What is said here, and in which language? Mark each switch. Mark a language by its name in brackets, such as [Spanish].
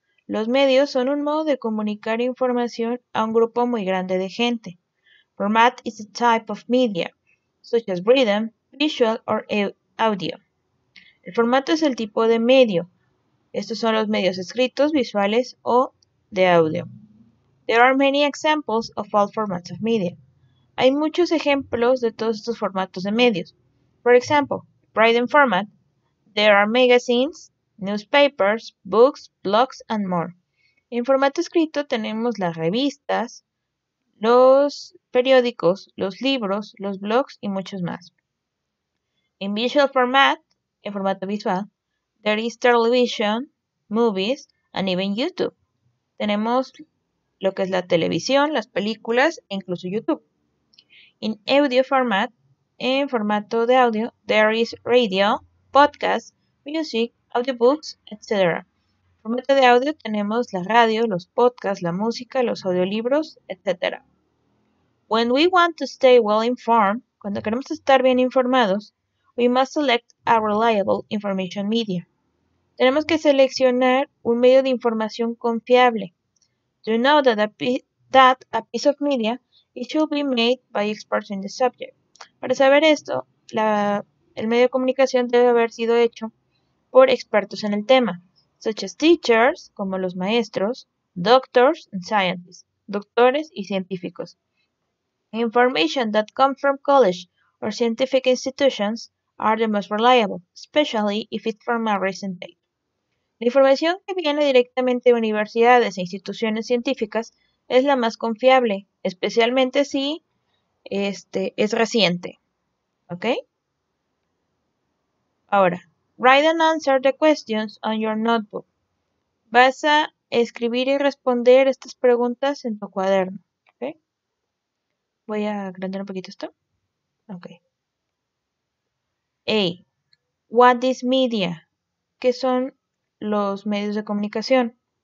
[Spanish] Los medios son un modo de comunicar información a un grupo muy grande de gente. [English] Format is a type of media, such as written, visual or audio. [Spanish] El formato es el tipo de medio. Estos son los medios escritos, visuales o de audio. [English] There are many examples of all formats of media. [Spanish] Hay muchos ejemplos de todos estos formatos de medios. [English] For example, written format, there are magazines, newspapers, books, blogs, and more. [Spanish] En formato escrito tenemos las revistas, los periódicos, los libros, los blogs y muchos más. [English] En visual format, [Spanish] en formato visual, [English] there is television, movies, and even YouTube. [Spanish] Tenemos lo que es la televisión, las películas e incluso YouTube. [English] En audio format, [Spanish] en formato de audio, [English] there is radio, podcast, music, audiobooks, etc. [Spanish] En formato de audio tenemos la radio, los podcasts, la música, los audiolibros, etc. [English] When we want to stay well informed, [Spanish] cuando queremos estar bien informados, [English] we must select a reliable information media. [Spanish] Tenemos que seleccionar un medio de información confiable. [English] Do you know that a piece of media, it should be made by experts in the subject. [Spanish] Para saber esto, el medio de comunicación debe haber sido hecho por expertos en el tema, [English] such as teachers, [Spanish] como los maestros, [English] doctors and scientists, [Spanish] doctores y científicos. [English] Information that comes from college or scientific institutions are the most reliable, especially if it's from a recent date. [Spanish] La información que viene directamente de universidades e instituciones científicas es la más confiable, especialmente si es reciente. ¿Ok? [English] Ahora, write and answer the questions on your notebook. [Spanish] Vas a escribir y responder estas preguntas en tu cuaderno. ¿Okay? Voy a agrandar un poquito esto. Okay. A. [English] What is media? [Spanish] ¿Qué son los medios de comunicación?